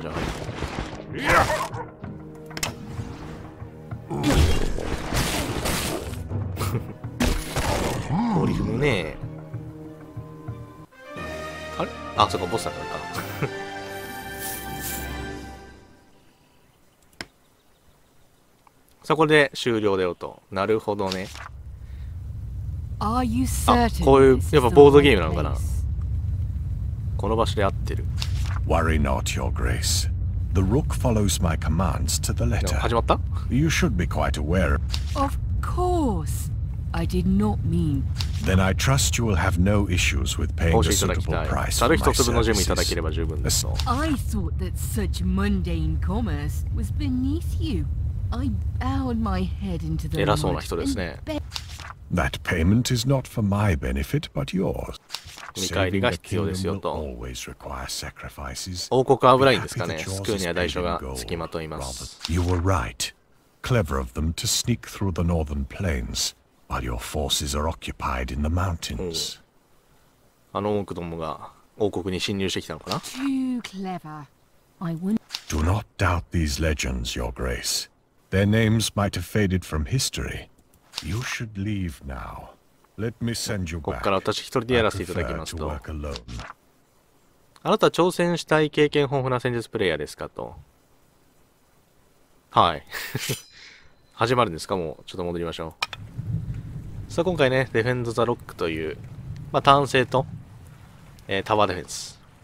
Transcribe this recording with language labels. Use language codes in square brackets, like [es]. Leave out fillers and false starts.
[ja] じゃあゴリフもねえ、あれ、あ、そうか、ボスだからか。そこで終了だよと。なるほどね。あ、こういうやっぱボードゲームなのかな。この場所で合ってる。 [en] Worry not, your grace. The rook follows my commands to the letter. [ja] 始まった？ [en] You should be quite aware. Of course. I did not mean. Then I trust you will have no issues with paying the suitable price for my services. [ja] 猿一粒のジェムいただければ十分です。 [en] I thought that such mundane commerce was beneath you. [ja] 偉そうな人ですね。 [en] That payment is not for my benefit, but yours. [ja] 見返りが必要ですよと。王国危ないんですかね。救うには代償がつきまといます。 [en] You were right. Clever of them to sneak through the northern plains while your forces are occupied in the mountains. [ja] あの王国どもが王国に侵入してきたのかな。 [en] Too clever. I wouldn't. Do not doubt these legends, your grace. Their names might have faded from history. You should leave now. Let me send you back. [ja] ここから私一人でやらせていただきますと。あなた挑戦したい経験豊富な戦術プレイヤーですかと。はい。始まるんですか、もう。ちょっと戻りましょう。さあ今回ね、ディフェンド・ザ・ロックという、まあ、単性と、タワーディフェンス。